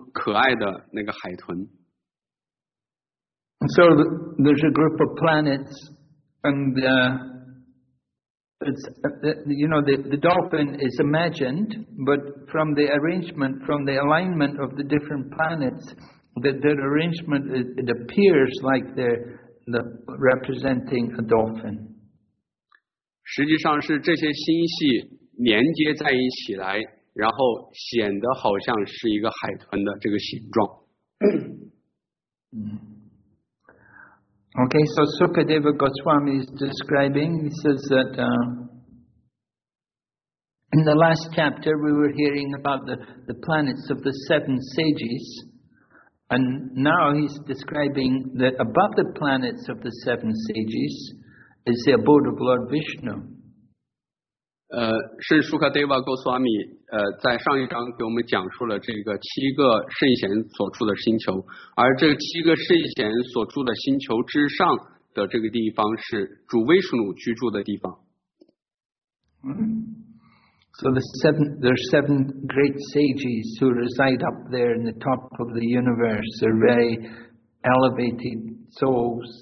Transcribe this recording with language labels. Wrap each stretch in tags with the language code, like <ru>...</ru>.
<zh>这个西舒马尔它的这个梵文词的意思是一个海豚，这个海豚就是在水里面游的那个非常可爱的那个海豚。</zh> <en>And so there's a group of planets, and it's you know the dolphin is imagined, but from the arrangement, from the alignment of the different planets, that their arrangement it appears like they're representing a dolphin.</en> <zh>实际上是这些星系连接在一起来，然后显得好像是一个海豚的这个形状。</zh> <en>Okay, so Sukadeva Goswami is describing, he says that in the last chapter we were hearing about the planets of the seven sages, and now he's describing that above the planets of the seven sages is the abode of Lord Vishnu.</en> <zh>是Sukadeva Goswami 在上一章给我们讲述了这个七个圣贤所住的星球，而这个七个圣贤所住的星球之上的这个地方是主威士努居住的地方。</zh> <en>So there's seven great sages who reside up there in the top of the universe. They're very elevated souls.</en>